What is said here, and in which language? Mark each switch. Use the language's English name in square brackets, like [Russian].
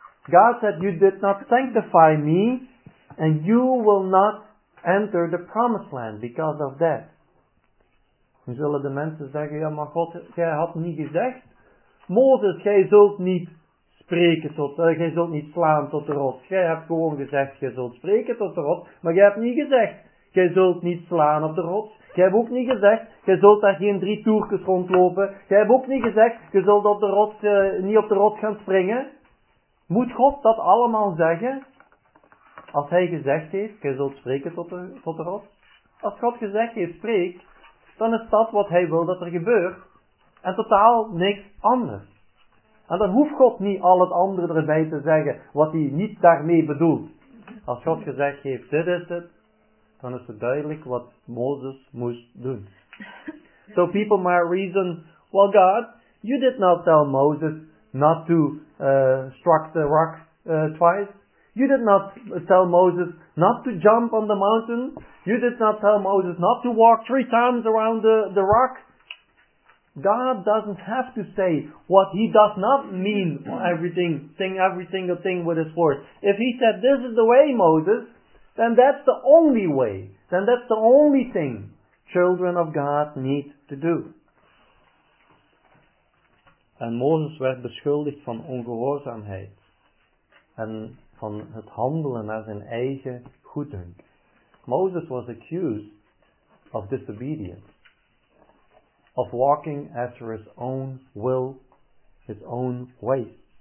[English] God said you did not sanctify me, and you will not enter the promised land because of that. [Dutch] Dan zullen de mensen zeggen, ja, maar God, jij had niet gezegd. Mozes, jij zult niet spreken tot, jij zult niet slaan tot de rots. Jij hebt gewoon gezegd, jij zult spreken tot de rots, maar jij hebt niet gezegd, jij zult niet slaan op de rots. Jij hebt ook niet gezegd, jij zult daar geen drie toertjes rondlopen. Jij hebt ook niet gezegd, je zult op de rots, niet op de rots gaan springen. Moet God dat allemaal zeggen? Als hij gezegd heeft, jij zult spreken tot de rots. Als God gezegd heeft, spreek, dan is dat wat hij wil dat er gebeurt. En totaal niks anders. En dan hoeft God niet al het andere erbij te zeggen wat hij niet daarmee bedoelt. Als God gezegd heeft, dit is het, dan is het duidelijk wat Mozes moest doen. [English] So people might reason, well God, you did not tell Moses not to strike the rock twice. You did not tell Moses not to jump on the mountain. You did not tell Moses not to walk three times around the rock. God doesn't have to say what he does not mean everything, saying every single thing with his words. If he said, this is the way, Moses, then that's the only way. Then that's the only thing children of God need to do. [Dutch] En Mozes werd beschuldigd van ongehoorzaamheid en van het handelen naar zijn eigen goeddunken. [English] Mozes was accused of disobedience. Of walking after his own will, his own way.